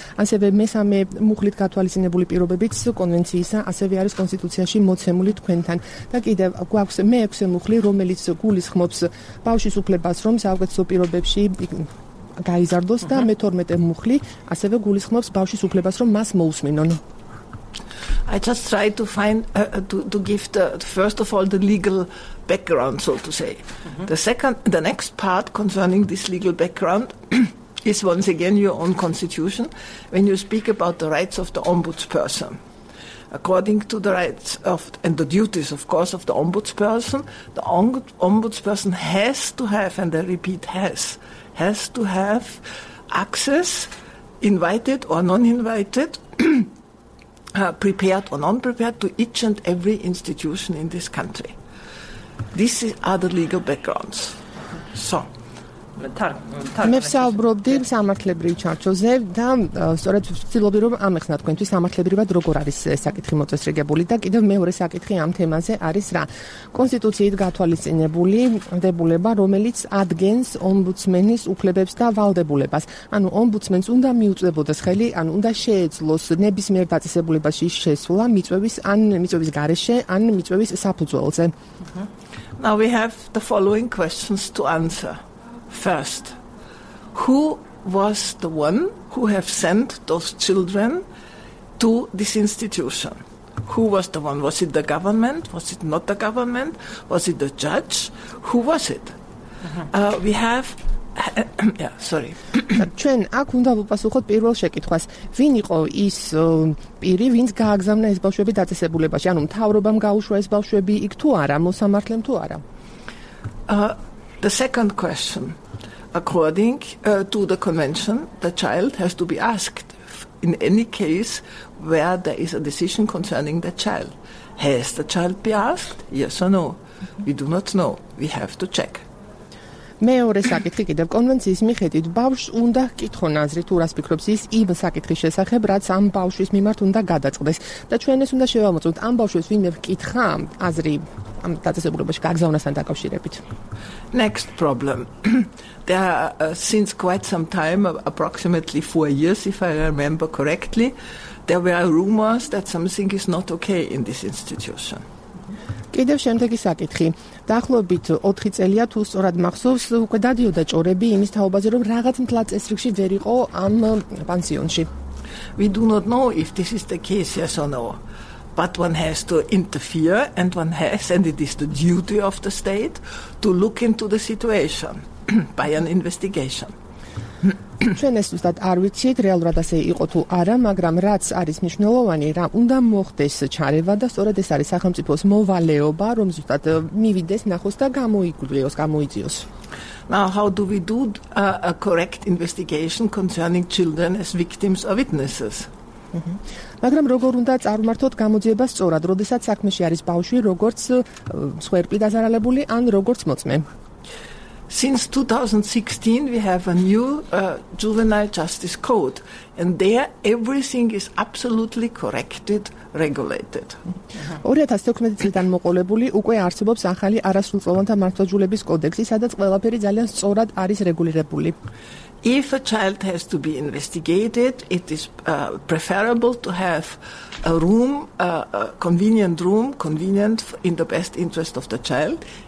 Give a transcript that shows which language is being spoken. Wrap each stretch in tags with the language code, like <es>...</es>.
<ka>ასევე მესამე მუხლით გათვალისწინებული პირობებიც კონვენციისა ასევე არის კონსტიტუციაში მოცემული თქვენთან. და კიდევ გვაქვს მეექვსე მუხლი, რომელიც გულისხმობს ბავშვის უფლებას, რომ საუკეთესო პირობებში გაიზარდოს, და მეთორმეტე მუხლი ასევე გულისხმობს ბავშვის უფლებას, რომ მას მოუსმინონ.</ka> <en>I just tried to find to give the first of all the legal background, so to say. Mm-hmm. The next part concerning this legal background is once again your own constitution, when you speak about the rights of the ombudsperson. According to the rights of and the duties, of course, of the ombudsperson, the ombudsperson has to have, and I repeat, has to have access, invited or non-invited, prepared or non-prepared, to each and every institution in this country. These are the legal backgrounds. So,</en> <ka>მევსაუბრობდი სამართლებრივ ჩარჩოზე და სწორედ ვცდილობდი რომ ამეხნა თქვენთვის სამართლებრივად როგორ არის საკითხი მოწესრიგებული. და კიდევ მეორე საკითხი ამ თემაზე არის რა. კონსტიტუციით გათვალისწინებული დებულება, რომელიც ადგენს ომბუდსმენის უფლებებს და ვალდებულებას. ანუ ომბუდსმენს უნდა მიუწვებოდეს ხელი, ანუ უნდა შეეძლოს ნებისმიერ დაწესებულებაში შესვლა მიწვევის გარეშე ან მიწვევის საფუძველზე.</ka> <en>Now we have the following questions to answer. First, who was the one who have sent those children to this institution? Who was the one? Was it the government? Was it not the government? Was it the judge? Who was it? Mm-hmm. We have... yeah, sorry.</en> <ka>ჩვენ აქ უნდა ვუპასუხოთ პირველ შეკითხვას. ვინ იყო ის პირი, ვინც გააგზავნა ეს ბავშვები დაწესებულებაში? ანუ მთავრობამ გაუშვა ეს ბავშვები იქ თუ არა, მოსამართლემ თუ არა?</ka> <en>The second question, according to the convention, the child has to be asked in any case where there is a decision concerning the child. Has the child been asked? Yes or no? We do not know. We have to check.</en> <ka>მეორე საკითხი კიდევ კონვენციის მიხედვით ბავშვს უნდა ჰკითხონ აზრი, თუ რას ფიქრობს ის იმ საკითხის შესახებ, რაც ამ ბავშვის მიმართ უნდა გადაწყდეს. და ჩვენ ეს უნდა შევამოწმოთ, ამ ბავშვს ვინმე ჰკითხა აზრი ამ დაწესებულებაში გაგზავნასთან დაკავშირებით.</ka> <en>Next problem. There are, since quite some time, approximately 4 years, if I remember correctly, there were rumors that something is not okay in this institution.</en> <ka>კიდევ შემდეგი საკითხი. დაახლოებით 4 წელია თუ სწორად მახსოვს, უკვე დადიოდა ჭორები იმის თაობაზე, რომ რაღაც მთლაც ეს რიგში ვერ იყო ამ პანსიონში.</ka> <en>We do not know if this is the case, yes or no. But one has to interfere, and one has, and it is the duty of the state, to look into the situation by an investigation.</en> <ka>ჩვენ ეს უბრალოდ არ ვიცით, რეალურად ასე იყო თუ არა, მაგრამ რაც არის მნიშვნელოვანი, რა უნდა მოხდეს ჩარევა და სწორედ ეს არის სახელმწიფოს მოვალეობა, რომ ზუსტად მივიდეს, ნახოს და გამოიგვლიოს, გამოიძიოს.</ka> <en>Now, how do we do a correct investigation concerning children as victims or witnesses?</en> <ka>მაგრამ როგორ უნდა წარმართოთ გამოძიება სწორად, როდესაც საქმეში არის ბავშვი, როგორც მსხვერპლი დაზარალებული ან როგორც მოწმე?</ka> <en>Since 2016, we have a new juvenile justice code, and there everything is absolutely corrected, regulated.</en> <ka>2016 წლიდან მოყოლებული უკვე არსებობს ახალი არასრულწლოვანთა მართლმსაჯულების კოდექსი, სადაც ყველაფერი ძალიან სწორად არის რეგულირებული.</ka> <en>If a child has to be investigated, it is preferable to have a room, convenient in the best interest of the child.</en>